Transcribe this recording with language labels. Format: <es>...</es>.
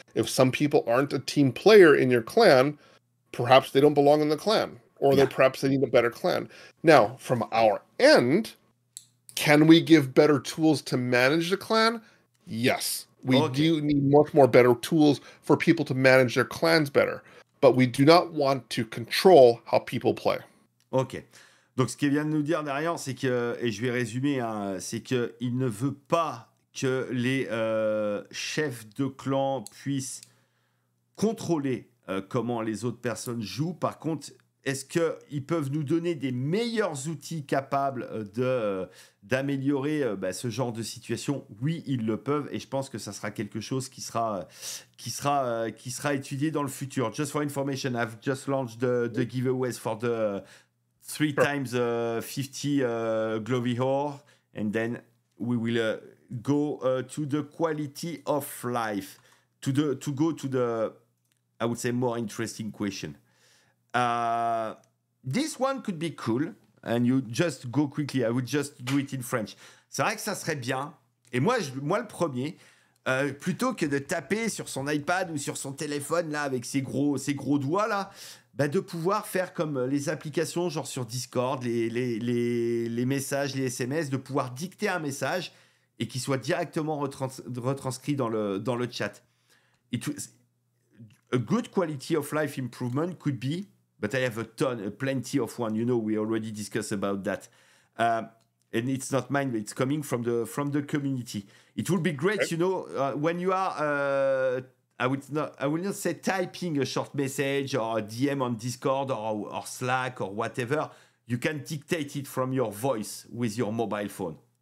<en>If some people aren't a team player in your clan, perhaps they don't belong in the clan, or perhaps they need a better clan. Now, from our end, can we give better tools to manage the clan? Yes, we do need much more better tools for people to manage their clans better. But we do not want to control how people play. Okay.</en> <fr>Donc, ce qu'il vient de nous dire derrière, c'est que, et je vais résumer, hein, c'est qu'il ne veut pas que les chefs de clan puissent contrôler comment les autres personnes jouent. Par contre, est-ce qu'ils peuvent nous donner des meilleurs outils capables d'améliorer ce genre de situation? Oui, ils le peuvent, et je pense que ça sera quelque chose qui sera étudié dans le futur.</fr> <en>Just for information, I've just launched the giveaways for the 3x50 Glovy Whore, and then we will go to the quality of life, to go to the, I would say, more interesting question. This one could be cool, and you just go quickly. I would just do it in French.</en> <fr>C'est vrai que ça serait bien. Et moi le premier, plutôt que de taper sur son iPad ou sur son téléphone là avec ses gros doigts là, de pouvoir faire comme les applications genre sur Discord, les messages, les SMS, de pouvoir dicter un message et qu'il soit directement retranscrit dans le chat.</fr> <en>A good quality of life improvement could be, but I have plenty of one. You know, we already discussed about that. And it's not mine, but it's coming from the community. It would be great, you know, when you are, I will not say typing a short message or a DM on Discord or Slack or whatever, you can dictate it from your voice with your mobile phone.</en>